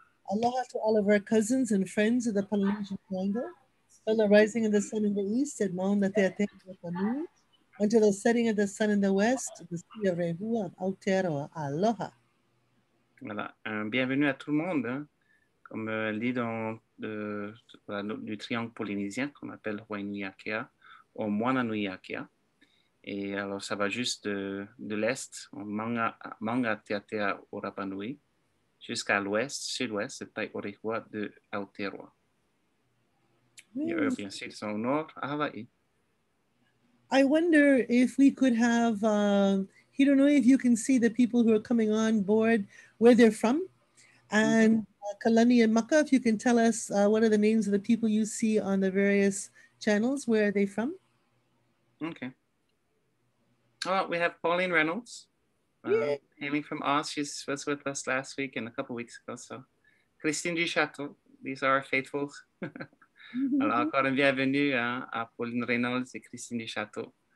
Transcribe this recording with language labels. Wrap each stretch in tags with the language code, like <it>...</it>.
<en>Aloha to all of our cousins and friends of the Polynesian triangle, from the rising of the sun in the east at Maʻonateatea, until the setting of the sun in the west, the sea of Rehua, Aotearoa, aloha.</en> <fr>Voilà. Bienvenue à tout le monde, comme dit dans du triangle polynésien qu'on appelle Hawaiʻiniakea ou Moananuiakea. Et alors ça va juste de l'est, Maʻonateatea ou Rapa Nui, jusqu'à l'ouest, sud-ouest, c'est Taʻiʻorehua de Aotearoa. Mm. Et eux, bien sûr, ils sont au nord, à Hawaii.</fr> <en>I wonder if we could have, Hironui, if you can see the people who are coming on board, where they're from, and Kalani and Maka, if you can tell us what are the names of the people you see on the various channels, where are they from? Okay. Oh, we have Pauline Reynolds. Hailing from us, she was with us last week and a couple weeks ago. So, Christine Duchâteau, these are our faithfuls.</en> <fr>Alors, encore une bienvenue hein, à Pauline Reynolds et Christine Duchâteau.</fr>